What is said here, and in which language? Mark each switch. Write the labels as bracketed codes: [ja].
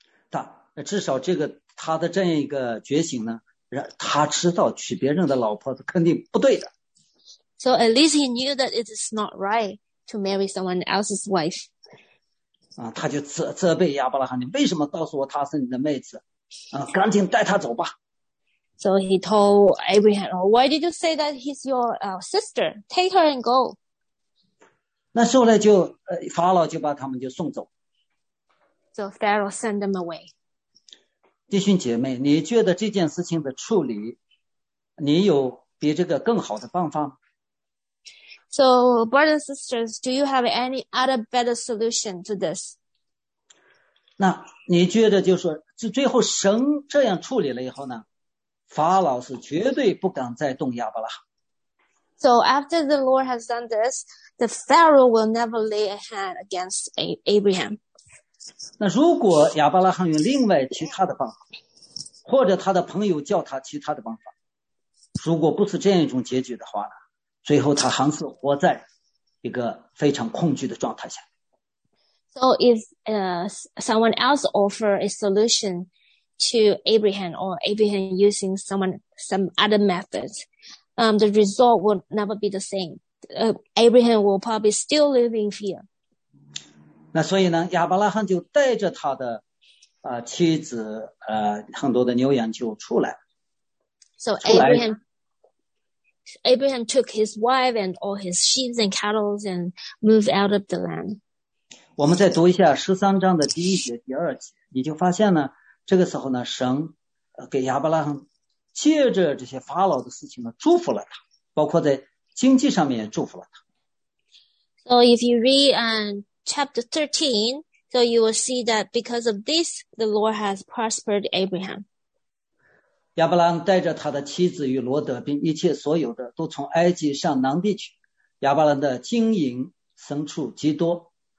[zh] 但至少这个他的这样一个觉醒呢，让他知道娶别人的老婆是肯定不对的。 [en] So at least he knew that it is not right to marry someone else's wife. [zh] 啊，他就责备亚伯拉罕，你为什么告诉我她是你的妹子？啊，赶紧带她走吧。 [en] So he told Abraham, "Why did you say that he's your sister? Take her and go." [zh] 那后来就法老就把他们就送走。 [en] So Pharaoh sent them away. [zh] 弟兄姐妹，你觉得这件事情的处理，你有比这个更好的办法吗？ [en] So, brothers and sisters, do you have any other better solution to this? [zh] 那你觉得就是说，最后神这样处理了以后呢，法老是绝对不敢再动亚伯拉罕。 [en] So after the Lord has done this, the Pharaoh will never lay a hand against Abraham. [zh] 那如果亚伯拉罕用另外其他的方法，或者他的朋友叫他其他的方法，如果不是这样一种结局的话呢？最后他还是活在一个非常恐惧的状态下。 [en] So if someone else offer a solution to Abraham or Abraham using some other methods, the result will never be the same. Abraham will probably still live in fear. [zh] 那所以呢，亚伯拉罕就带着他的妻子很多的牛羊就出来。 [en] So Abraham took his wife and all his sheep and cattle and moved out of the land. [zh] 我们再读一下十三章的第一节、第二节，你就发现呢，这个时候呢，神给亚伯拉罕借着这些法老的事情呢，祝福了他，包括在经济上面也祝福了他。 [en] So if you read chapter 13, so you will see that because of this, the Lord has prospered Abraham. [zh] 亚伯拉罕带着他的妻子与罗德并一切所有的都从埃及上南地去。亚伯拉罕的金银牲畜极多。